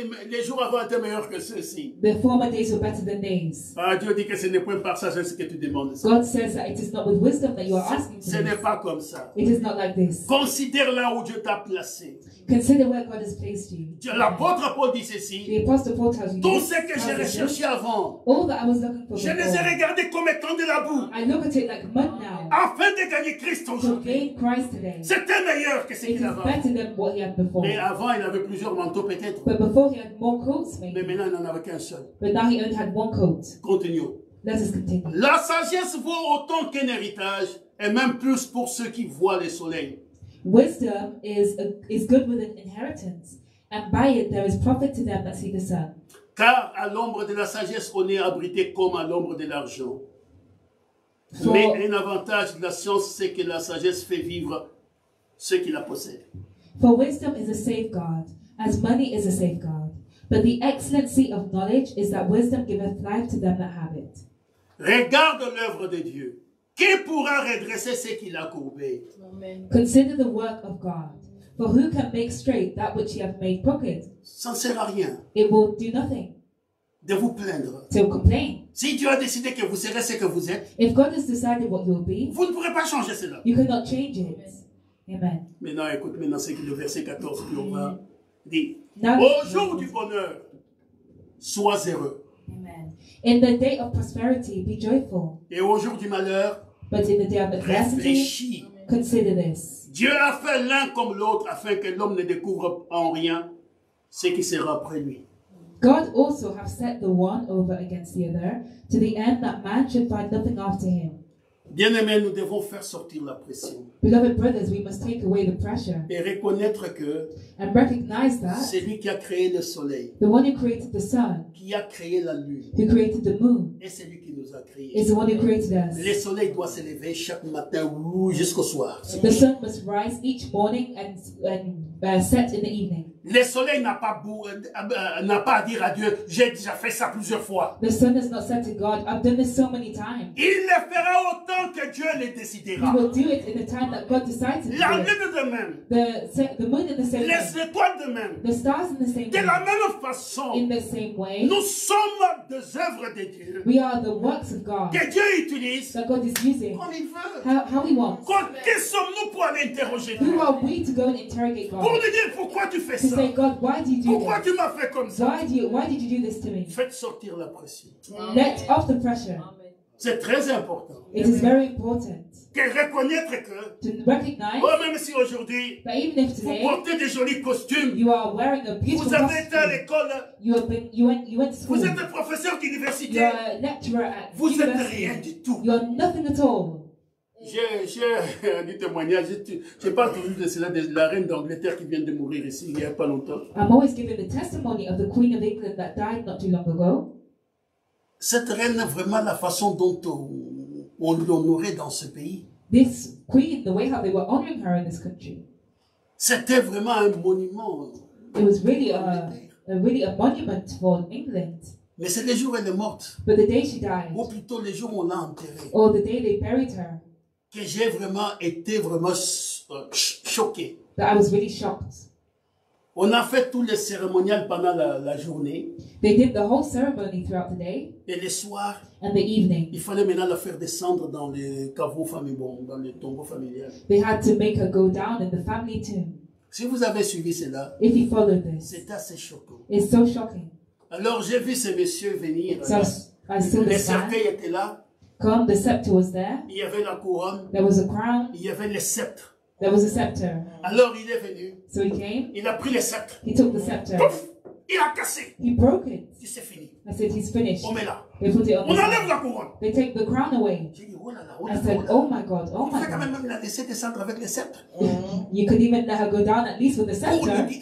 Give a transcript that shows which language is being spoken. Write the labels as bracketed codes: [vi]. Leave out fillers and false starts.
[fr] Les jours avant étaient meilleurs que ceux-ci. [en] The former days were better than these. [fr] Ah, Dieu dit que ce n'est point par sagesse que tu demandes. [en] God says that it is not with wisdom that you are asking. [fr] Ce n'est pas comme ça. [en] It is not like this. [fr] Considère là où Dieu t'a placé. [en] Consider where God has placed you. [fr] L'apôtre Paul dit ceci. [en] The apostle Paul tells you. [fr] Tout ce que j'ai recherché avant. [en] All that I was looking for. [fr] Je les ai regardés comme étant de la boue. [en] I look at it like mud now. [fr] Afin de gagner Christ aujourd'hui. [en] To gain Christ today. [fr] C'était meilleur que ce qu'il avait. [en] It is better than what he had before. [fr] Mais avant il avait plusieurs manteaux. Peut-être. [en] But before he had more coats, maybe. [fr] Mais maintenant, il n'en avait qu'un seul. [en] But now he only had one coat. [fr] Continuons. [en] Let us continue. [fr] La sagesse vaut autant qu'un héritage, et même plus pour ceux qui voient le soleil. [en] Wisdom is good with an inheritance, and by it there is profit to them that see the sun. [fr] Car à l'ombre de la sagesse, on est abrité comme à l'ombre de l'argent. For, mais un avantage de la science, c'est que la sagesse fait vivre ceux qui la possèdent. [en] For wisdom is a safeguard. As money is a safeguard, but the excellency of knowledge is that wisdom giveth life to them that have it. [fr] Regarde l'œuvre de Dieu. Qui pourra redresser ce qu'il a courbé? Amen. [en] Consider the work of God. For who can make straight that which he hath made crooked? [fr] Ça ne sert à rien. [en] It will do nothing. [fr] De vous plaindre. [en] To complain. [fr] Si Dieu a décidé que vous serez ce que vous êtes. [en] If God has decided what you will be. [fr] Vous ne pourrez pas changer cela. [en] You cannot change it. Amen. [fr] Maintenant, écoute, maintenant c'est le verset 14 qui nous parle. Dit, au jour du bonheur, sois heureux. [en] Amen. In the day of prosperity, be joyful. [fr] Et au jour du malheur, [en] but in the day of adversity, [fr] réfléchis. [en] Consider this. [fr] Dieu a fait l'un comme l'autre afin que l'homme ne découvre en rien ce qui sera après lui. [en] God also have set the one over against the other to the end that man should find nothing after him. [fr] Bien-aimés, nous devons faire sortir la pression. [en] Beloved brothers, we must take away the pressure. [fr] Et reconnaître que [en] and recognize that [fr] celui qui a créé le soleil, [en] the one who created the sun, [fr] qui a créé la lune, [en] who created the moon, [fr] est celui qui nous a créé, [en] is the one who created us. [fr] Le soleil doit se lever chaque matin jusqu'au soir. [en] The sun must rise each morning and set in the evening. [fr] Le soleil n'a pas à dire à Dieu, j'ai déjà fait ça plusieurs fois. [en] The sun has not said to God, I've done this so many times. [fr] Il le fera autant que Dieu le décidera. [en] He will do it in the time that God decides. [fr] La lune de même. [en] The moon in the same [fr] les [en] way. [fr] Les étoiles de même. [en] The stars in the same [fr] de [en] way. [fr] De la même façon. [en] In the same way. [fr] Nous sommes des œuvres de Dieu. [en] We are the works of God. [fr] Que Dieu utilise. [en] That God is using. [fr] Comme il veut. [en] How he wants. [fr] Qui sommes-nous pour aller interroger Dieu? [en] Who are we to go and interrogate God? [fr] Pour lui dire pourquoi tu fais ça? [en] Say, God, why did you [fr] pourquoi [en] do this? [fr] Tu m'as fait comme ça? [en] Why did you do this to me? [fr] Faites sortir la pression. [en] Amen. Let off the pressure. Amen. [fr] C'est très important. [en] It is very important. [fr] Que reconnaître que [en] to recognize, [fr] oh, même si aujourd'hui [en] even if today, [fr] vous portez des jolis costumes, [en] you are wearing a beautiful [fr] vous avez été à l'école, [en] you went to school, [fr] vous êtes un professeur d'université, [en] you are a lecturer at [fr] vous [en] university, [fr] êtes rien du tout. [en] You are nothing at all. [fr] J'ai du témoignage. Je parle toujours de cela, de la reine d'Angleterre qui vient de mourir ici il n'y a pas longtemps. [en] I'm always giving the testimony of the Queen of England that died not too long ago. [fr] Cette reine, vraiment la façon dont on l'honorait dans ce pays. [en] This queen, the way how they were honoring her in this country. [fr] C'était vraiment un monument. [en] It was really a monument for England. [fr] Mais c'est le jour où elle est morte. [en] But the day she died. [fr] Ou plutôt le jour où on l'a enterrée. [en] Or the day they buried her. [fr] Que j'ai vraiment été vraiment choqué. [en] That I was really shocked. [fr] On a fait tous les cérémoniales pendant la journée. [en] They did the whole ceremony throughout the day. [fr] Et le soir. [en] And the evening. [fr] Il fallait maintenant la faire descendre dans le caveau familial, dans le tombeau familial. [en] They had to make her go down in the family tomb. [fr] Si vous avez suivi cela, [en] if you followed this, [fr] c'est assez choquant. [en] It's so shocking. [fr] Alors j'ai vu ce monsieur venir. [en] So, I saw [fr] le cercueil était là. [en] Come, the scepter was there. [fr] Il y avait la couronne. [en] There was a crown. [fr] Il y avait le sceptre. [en] There was a scepter. [fr] Alors il est venu. [en] So he came. [fr] Il a pris le sceptre. [en] He took the scepter. [fr] Pouf! Il a cassé. [en] He broke it. [fr] Il s'est fini. [en] I said, he's finished. [fr] On met là. [en] They put it on. [fr] On enlève la couronne. [en] They take the crown away. [fr] J'ai dit, oh là là, [en] I said, oh my God, oh my God. [fr] Il fallait quand même la laisser descendre avec le sceptre. [en] You could even let her go down at least with the scepter.